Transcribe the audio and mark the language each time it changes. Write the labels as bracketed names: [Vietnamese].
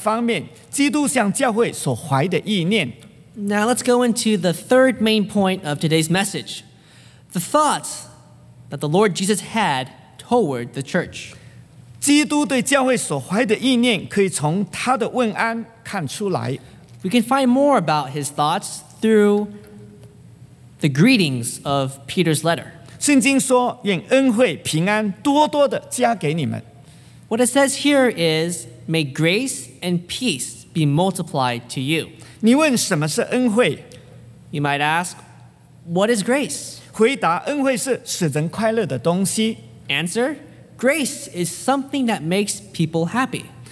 [Chinese] 现在我们讲信息的第三个方面，基督向教会所怀的意念。 [English] Now let's go into the third main point of today's message. The thoughts that the Lord Jesus had toward the church. [Chinese] 基督对教会所怀的意念可以从他的问安看出来。 [English] We can find more about his thoughts through the greetings of Peter's letter. [Chinese] 圣经说,愿恩惠平安多多地加给你们。 [English] What it says here is, may grace and peace be multiplied to you. [Chinese] 你问什么是恩惠? [English] You might ask, what is grace? [Chinese] 回答,恩惠是使人快乐的东西。 [English] Answer, grace is something that makes people happy.